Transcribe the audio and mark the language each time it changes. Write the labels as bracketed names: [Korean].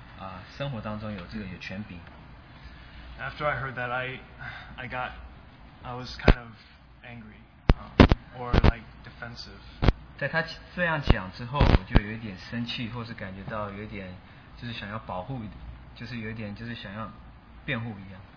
[Chinese] 那他就回答说是，就是你要放弃你的己的生活，让基督在你的生活当中有这个权柄。 [English] After I heard that, I was kind of angry. Or defensive. [Chinese] 在他这样讲之后，我就有一点生气，或是感觉到有点就是想要保护，就是有一点就是想要辩护一样。